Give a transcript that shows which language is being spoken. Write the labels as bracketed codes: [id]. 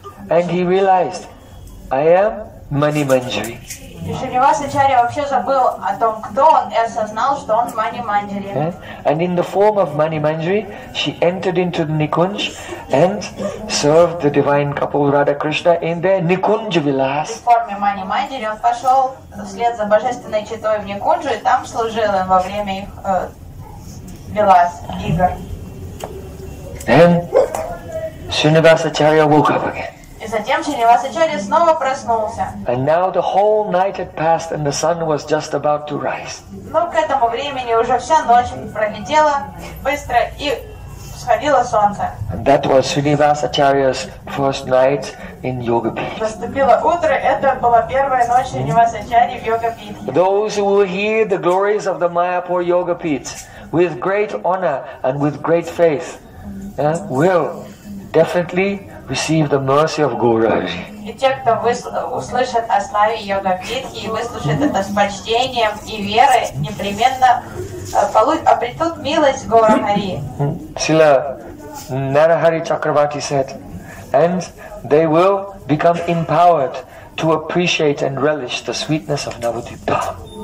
[en] And he realized, I am Mani Manjari. [ru] Srinivasacharya вообще забыл о том, кто он, и осознал, что он Mani Manjari. [en] And in the form of Mani Manjari, she entered into the Nikunj and served the divine couple Radha Krishna in their Nikunj Vilas. [ru] В форме Mani Manjari он пошел вслед за божественной читой в Никунджу и там служил им во время их Vilas игр. [en] And Srinivasacharya woke up again. [ru] И затем Шринивасачарья снова проснулся. [en] And now the whole night had passed and the sun was just about to rise. [ru] Но к этому времени уже вся ночь пролетела быстро и всходило солнце. [en] And that was Srinivasacharya's first night in yoga pit. [ru] Наступило утро, это была первая ночь Шринивасачарьи в йога питхе. [en] Those who will hear the glories of the Mayapur yoga pit with great honor and with great faith will definitely receive the mercy of Gaurahari. [ru] И те, кто услышат о славе йога питхи и выслушает это с почтением и верой, непременно обретут милость Гаурахари. [en] Сила Нарахари Чакрабарти said, and they will become empowered to appreciate and relish the sweetness of Navadvipa.